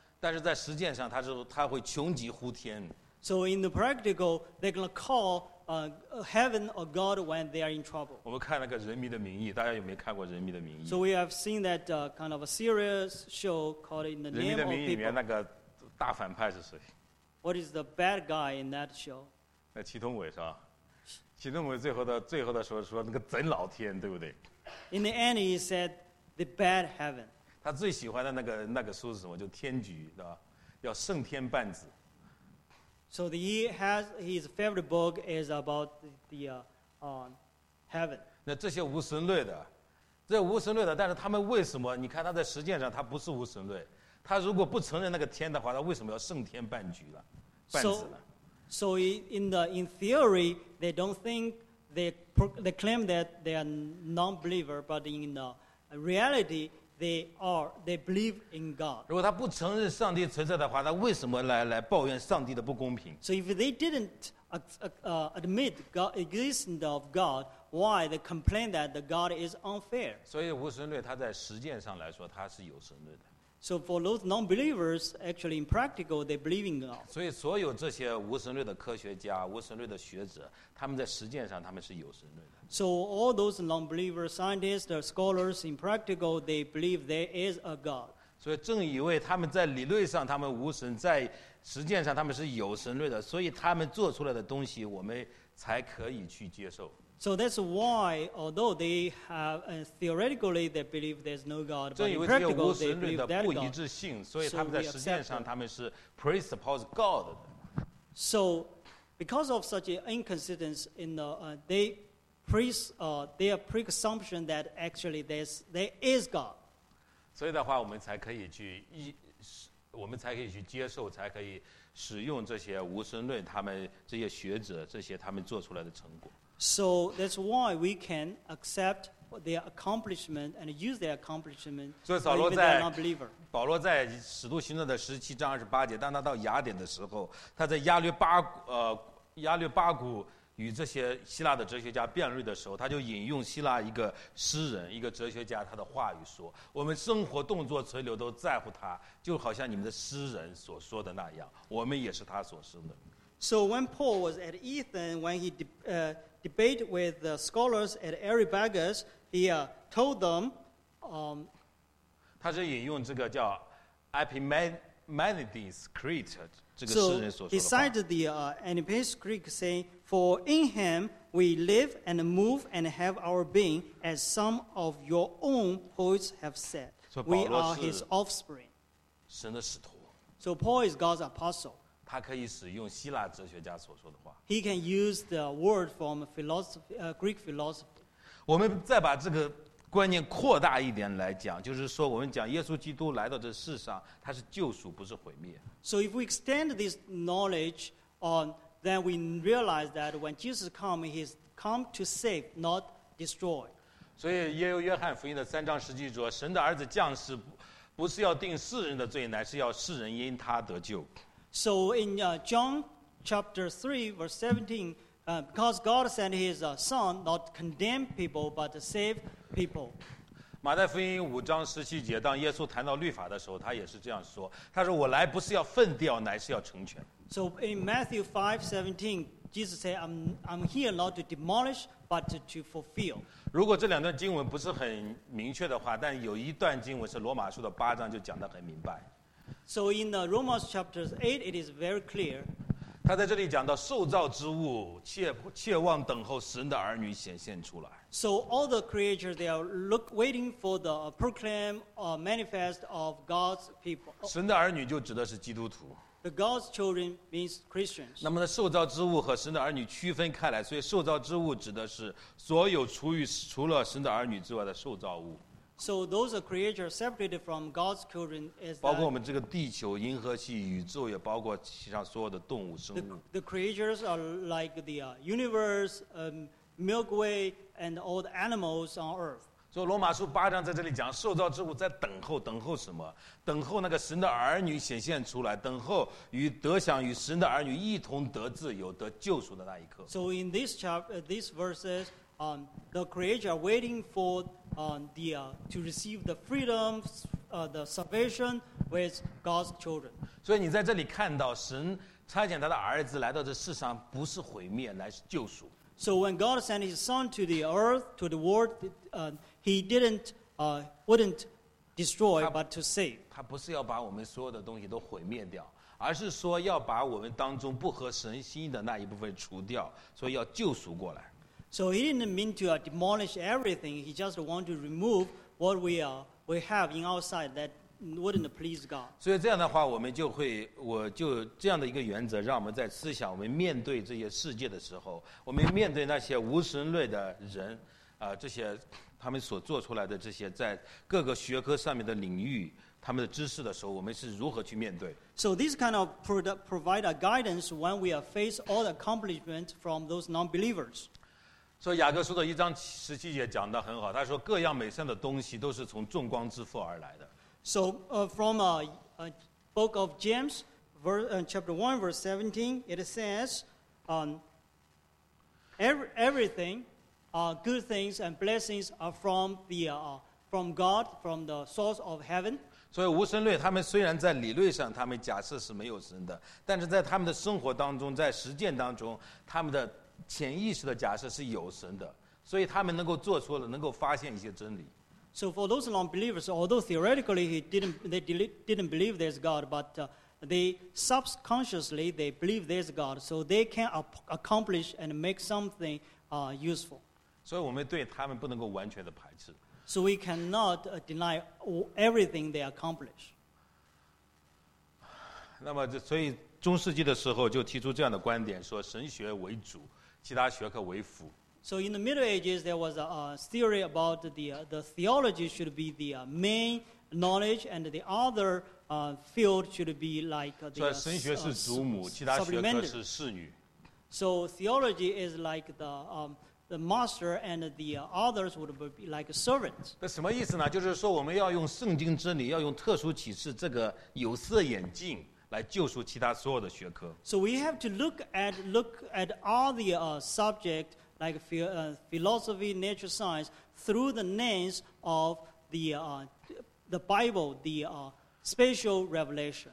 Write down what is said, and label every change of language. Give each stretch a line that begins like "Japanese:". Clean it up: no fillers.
Chinese: 但是在实践上，他会穷极乎天。
English: So in the practical, they're gonna call. Heaven or God when they are in trouble.
Chinese: 我们看那个《人民的名义》，大家有没有看过《人民的名义》
English: ？So we have seen that kind of a serious show called In the Name of People.
Chinese: 人民的名义里面那个大反派是谁
English: ？What is the bad guy in that show？
Chinese: 那祁同伟是吧？祁同伟最后的时候说那个真老天，对不对
English: ？In the end, he said the bad heaven.
Chinese: 他最喜欢的那个书是什么？就天局，对吧？要胜天半子。
English: So his favorite book is about the heaven.
Chinese: 那这些无神论的，这无神论的，但是他们为什么？你看他在实践上，他不是无神论。他如果不承认那个天的话，他为什么要胜天半局了？半子了
English: ？So in theory, they don't think they claim that they are non-believer, but in the reality. They believe in God.
Chinese: 如果他不承认上帝存在的话，他为什么来抱怨上帝的不公平
English: ？So if they didn't admit God existence of God, why they complain that the God is unfair?
Chinese: 所以无神论他在实践上来说他是有神论的。
English: So for those non-believers, actually in practical, they believe in God.
Chinese: 所以所有这些无神论的科学家、无神论的学者，他们在实践上他们是有神论的。
English: So all those non-believer scientists, the scholars in practical, they believe there is a God.
Chinese: 所以正因为他们在理论上他们无神，在实践上他们是有神论的，所以他们做出来的东西我们才可以去接受。
English: So that's why, although they have theoretically they believe there's no God, but in practical they believe that God.
Chinese: 所以他们在实践上他们是
English: presuppose God. So, because of such an inconsistency in the their presumption that actually there is God.
Chinese: 所以的话，我们才可以去接受，才可以使用这些无神论，他们这些学者，这些他们做出来的成果。
English: So that's why we can accept their accomplishment and use their accomplishment. So even though they're not believer.
Chinese: 保罗在《使徒行传》的十七章二十八节，当他到雅典的时候，他在亚律巴古与这些希腊的哲学家辩论的时候，他就引用希腊一个诗人、一个哲学家他的话语说：“我们生活、动作、存留都在乎他，就好像你们的诗人所说的那样，我们也是他所生的。”
English: So when Paul was at Athens, when he debate with the scholars at Areopagus, he told them.
Chinese: 他是引用这个叫 Epimenides Creed 这个诗人所说的话。
English: So he cited the Epimenides Creed saying, "For in him we live and move and have our being, as some of your own poets have said. We are his offspring."
Chinese: 神的使徒。
English: So Paul is God's apostle.
Chinese: 他可以使用希腊哲学家所说的话。
English: He can use the word from Greek philosophy.
Chinese: 我们再把这个观念扩大一点来讲，就是说我们讲耶稣基督来到这世上，他是救赎，不是毁灭。
English: So if we extend this knowledge on, then we realize that when Jesus comes, he's come to save, not destroy.
Chinese: 所以耶稣约翰福音的三章十节说，神的儿子降世，不是要定世人的罪，乃是要世人因他得救。
English: So in John chapter 3, verse 17, Because God sent his son not to condemn people but to save people.
Chinese: 马太福音五章十七节，当耶稣谈到律法的时候，他也是这样说。他说：“我来不是要废掉，乃是要成全。”
English: So in Matthew 5:17, Jesus said, "I'm here not to demolish, but to fulfill."
Chinese: 如果这两段经文不是很明确的话，但有一段经文是罗马书的八章，就讲得很明白。
English: So in the Romans chapter 8, it is very clear.
Chinese: 他在这里讲到受造之物切望等候神的儿女显现出来。
English: So all the creatures, they are waiting for the proclaim or manifest of God's people.
Chinese: 神的儿女就指的是基督徒。
English: The God's children means Christians.
Chinese: 那么呢，受造之物和神的儿女区分开来，所以受造之物指的是所有除了神的儿女之外的受造物。
English: So those are creatures separated from God's children is
Chinese: 包括我们这个地球、银河系、宇宙，也包括其上所有的动物、生物。
English: The creatures are like the universe, Milky Way, and all the animals on earth.
Chinese: 所以罗马书八章在这里讲，受造之物在等候，等候什么？等候那个神的儿女显现出来，等候与得享与神的儿女一同得自由、得救赎的那一刻。
English: So in this chapter, these verses, the creatures are waiting for. To receive the freedom, the salvation with God's children.
Chinese: 所以你在这里看到神差遣他的儿子来到这世上，不是毁灭，乃是救赎。
English: So when God sent His Son to the earth, to the world, He didn't, wouldn't destroy, but to save.
Chinese: 他不是要把我们所有的东西都毁灭掉，而是说要把我们当中不合神心意的那一部分除掉，所以要救赎过来。
English: So he didn't mean to demolish everything. He just wanted to remove what we have in outside that wouldn't please God.
Chinese: 所以这样的话，我就这样的一个原则，让我们在思想我们面对这些世界的时候，我们面对那些无神论的人，这些他们所做出来的这些在各个学科上面的领域他们的知识的时候，我们是如何去面对。
English: So this kind of provide a guidance when we are face all the accomplishments from those non-believers.
Chinese: 所以雅各书的一章十七节讲得很好，他说各样美善的东西都是从众光之父而来的。
English: So from a book of James, chapter 1, verse 17, it says, everything, good things and blessings are from the, from God, from the source of heaven.
Chinese: 所以无神论他们虽然在理论上他们假设是没有神的，但是在他们的生活当中，在实践当中，他们的潜意识的假设是有神的，所以他们能够做出了，能够发现一些真理。
English: So for those non-believers, although theoretically they didn't believe there's God, but they subconsciously they believe there's God, so they can accomplish and make something useful.
Chinese: 所以我们对他们不能够完全的排斥。
English: So we cannot deny everything they accomplish.
Chinese: 那么这所以中世纪的时候就提出这样的观点，说神学为主。其他学科为辅。
English: So in the Middle Ages, there was a theory about the theology should be the main knowledge, and the other field should be like the.
Chinese: 所以神学是祖母，其他学科是侍女。
English: So theology is like the master, and the others would be like servants.
Chinese: 那什么意思呢？就是说我们要用圣经真理，要用特殊启示这个有色眼镜。来救赎其他所有的学科。
English: So we have to look at all the subject like philosophy, nature, science through the lens of the Bible, the spatial revelation.